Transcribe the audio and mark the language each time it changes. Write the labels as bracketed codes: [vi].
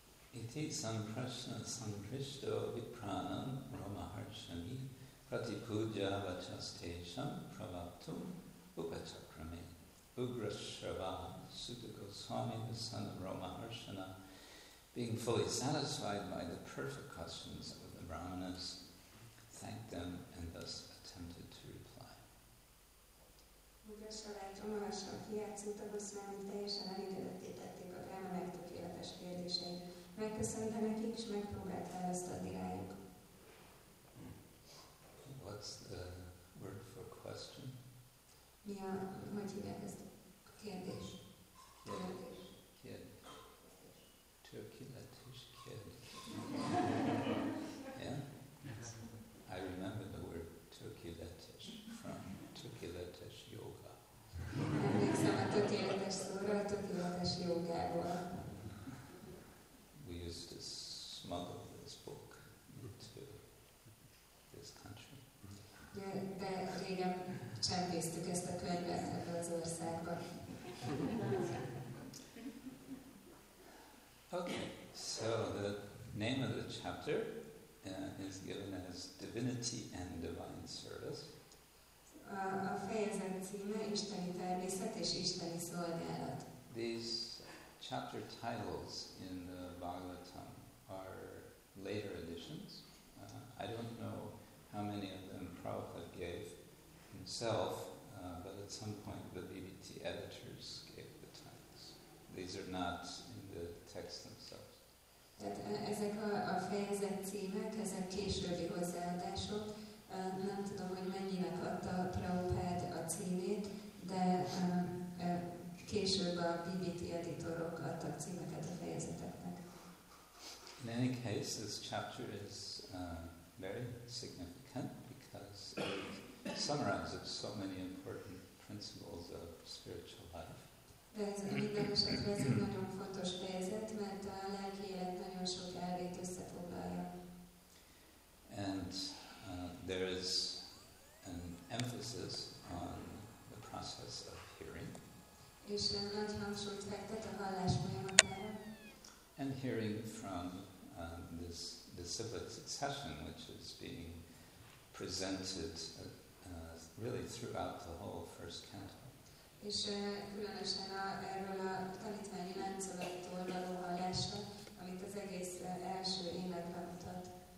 [sa] Iti samprasna samprishto vipranam ramaharshami pratipuja vachastesham pravaptum upachakrame [en] ugrashrava Sutta Goswami, the son of Ramaharshana, being fully satisfied by the perfect questions of the brahmanas, thanked them and thus attempted to reply. [hu] Ugrasarát, Romahasan fiát, Szuta Goszvámi, teljesen elégedetté tették a brámanek tökéletes kérdéseit. Megköszönte nekik, és megpróbált választ adni rájuk. [en] What's the word for question? [hu] Mi a, hogy hívják ezt? Kérdés. Kérdés. Kérdés. Tökéletes kérdés. Yeah? [en] I remember the word tökéletes from tökéletes yoga. [hu] Emlékszem a tökéletes szóra, a tökéletes jogából. [en] We used to smuggle this book into this country. [hu] De régen csempésztük ezt a könyvet ebbe az országba. [en] Okay, so the name of the chapter is given as Divinity and Divine Service. [hu] A fejezet címe Isteni természet és Isteni szolgálat. [en] These chapter titles in the Bhagavatam are later editions. I don't know how many of them Prabhupada gave himself, but at some point the BBT editors gave the titles. These are not in the text themselves. [hu] Tehát ezek a fejezet címek, ezek későbbi hozzáadások. Nem tudom, hogy mennyinek adta a Prabhupád a címét, de később a BBT editorok adtak címeket a fejezeteknek. [en] In any case, this chapter is very significant because it summarizes so many important principles of spiritual life. [hu] De ez minden esetre ez egy nagyon fontos fejezet, mert a lelki élet nagyon sok elvét összefoglalja. [en] And there is an emphasis on the process of hearing. [hu] És nagy hangsúlyt fektet a hallás folyamatára. [en] And hearing from this disciplic succession, which is being presented really throughout the whole first canto. [hu] És különösen erről a tanítványi láncolattól való hallásra, amit az egész első énekben mutat.